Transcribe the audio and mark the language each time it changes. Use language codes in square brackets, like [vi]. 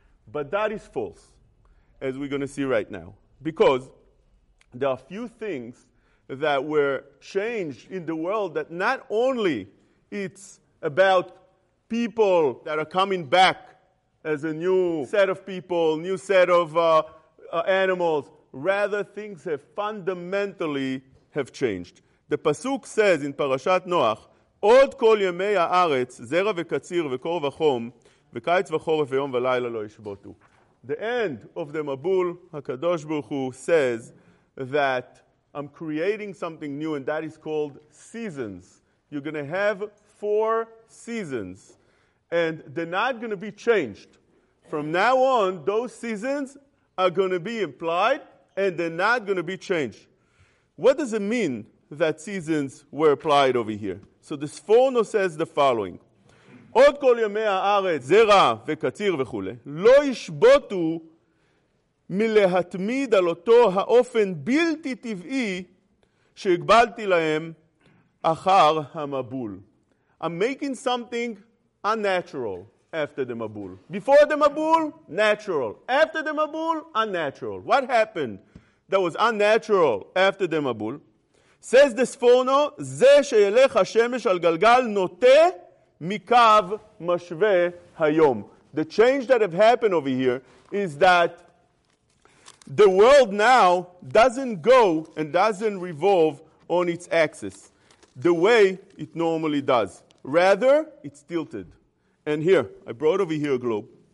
[en] But that is false, as we're going to see right now, because there are a few things that were changed in the world that not only it's about people that are coming back as a new set of people, new set of animals, rather things have fundamentally have changed. The Pasuk says in Parashat Noach, [he] עוד כל ימי הארץ, זרע וקציר וקור וחום, וקיץ וחורף ויום ולילה לא ישבותו. [en] The end of the Mabul, HaKadosh Baruch Hu says that I'm creating something new and that is called seasons. You're going to have four seasons and they're not going to be changed. From now on, those seasons are going to be implied and they're not going to be changed. What does it mean that seasons were applied over here? So the Sforno says the following. [he] עוד כל ימי הארץ, זרע וקציר וכו', לא ישבוטו מלהתמיד על אותו האופן בלתי טבעי שהגבלתי להם אחר המבול. [en] I'm making something unnatural after the Mabul. Before the Mabul, natural. After the Mabul, unnatural. What happened that was unnatural after the Mabul? Says the Sforno, [he] זה שילך השמש על גלגל נוטה מקו משווה היום. [en] The change that have happened over here is that the world now doesn't go and doesn't revolve on its axis the way it normally does. Rather, it's tilted. And here, I brought over here a globe.